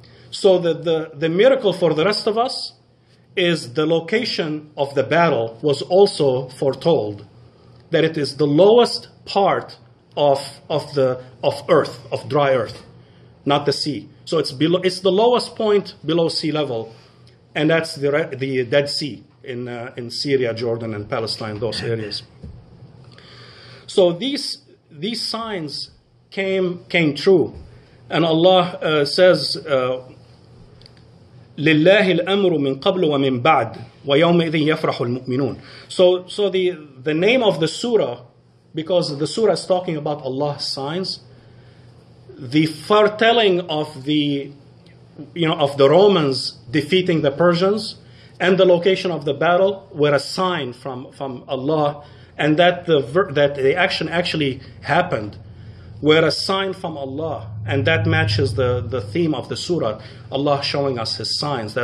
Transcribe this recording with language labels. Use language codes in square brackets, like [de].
[en] So the miracle for the rest of us is the location of the battle was also foretold, that it is the lowest part of earth, of dry earth, not the sea. So it's below, it's the lowest point below sea level, and that's the Dead Sea in Syria, Jordan, and Palestine, those areas. So these signs came true, and Allah says, [ar] لِلَّهِ الْأَمْرُ مِنْ قَبْلُ وَمِنْ بَعْدُ وَيَوْمَئِذٍ يَفْرَحُ الْمُؤْمِنُونَ. [en] So the name of the surah, because the surah is talking about Allah's signs, the foretelling of the, you know, of the Romans defeating the Persians, and the location of the battle were a sign from Allah, and that the action actually happened were a sign from Allah, and that matches the theme of the surah, Allah showing us His signs.